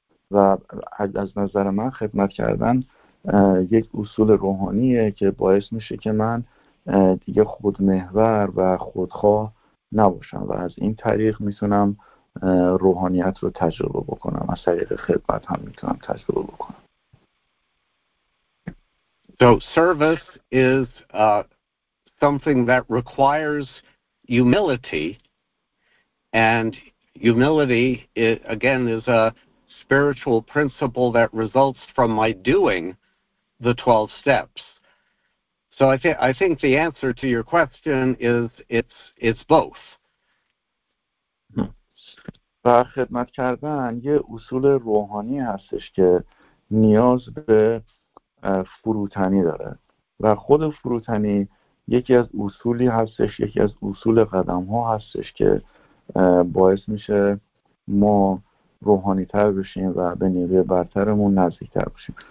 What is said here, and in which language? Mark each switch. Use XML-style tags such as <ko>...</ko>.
<fa>و از نظر من خدمت کردن یک اصول روحانیه که باعث میشه که من دیگه خودمحور و خودخواه نباشم و از این طریق میتونم روحانیت رو تجربه بکنم، از طریق خدمت هم میتونم تجربه بکنم.</fa> <en>So service is something that requires humility, and humility it, again is a spiritual principle that results from my doing the 12 steps. So I think the answer to your question is it's both.</en> <fa>و خدمت کردن یه اصول روحانی هستش که نیاز به فروتنی داره و خود فروتنی یکی از اصولی هستش، یکی از اصول قدم ها هستش که باعث میشه ما روحانی تر بشیم و به نیروی برترمون نزدیک تر بشیم.</fa>